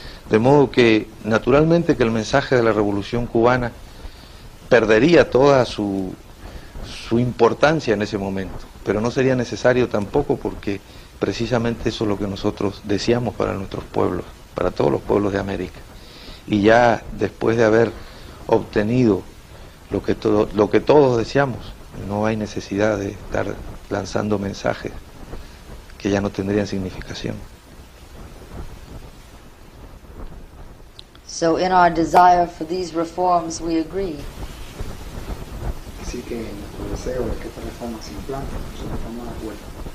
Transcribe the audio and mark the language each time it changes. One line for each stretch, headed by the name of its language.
Spanish: De modo que, naturalmente, que el mensaje de la Revolución Cubana perdería toda su importancia en ese momento, pero no sería necesario tampoco, porque precisamente eso es lo que nosotros deseamos para nuestros pueblos, para todos los pueblos de América. Y ya después de haber obtenido lo que todos deseamos, no hay necesidad de estar lanzando mensajes que ya no tendrían significación.
English: So in our desire for these reforms we agree.
Spanish: Así que nuestro deseo es que esta reforma se implante, nosotros estamos de acuerdo.